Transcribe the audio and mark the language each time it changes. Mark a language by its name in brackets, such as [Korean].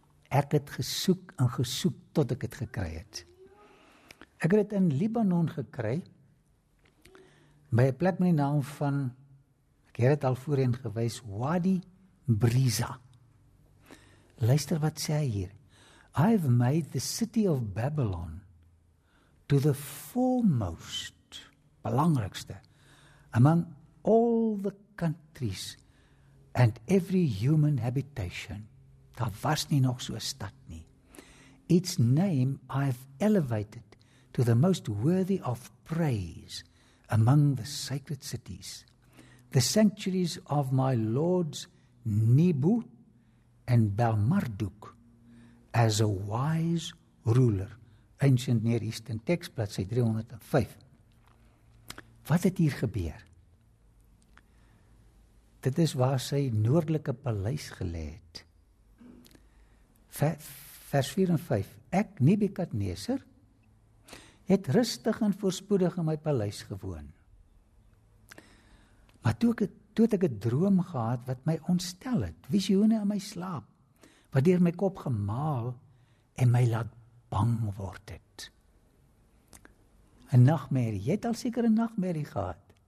[Afrikaans] Ek het gesoek en gesoek tot ek het gekry het. Ek het in Libanon gekry, by 'n plek met die naam van, ek het dit al voorheen gewys, Wadi Briza. Luister wat sê hy hier. [English] I have made the city of Babylon to the foremost, [Afrikaans] belangrikste, [English] among all the countries and every human habitation. [Afrikaans] Daar was nie nog so 'n stad nie. [English] Its name I have elevated to the most worthy of praise among the sacred cities, the sanctuaries of my lords Nebu and Belmarduk, as a wise ruler. [Afrikaans] Ancient Near Eastern Text, bladsy 305. Wat het hier gebeur? Dit is waar sy noordelike paleis gelê het. Vers 4 en 5. Ek, Nebukadneser, het rustig en voorspoedig in my paleis gewoon. Maar toe het ek 'n droom gehad wat my ontstel het, visioene in my slaap, wat deur my kop gemaal en my laat bang word het. 'n Nagmerrie, jy het al seker 'n nagmerrie gehad.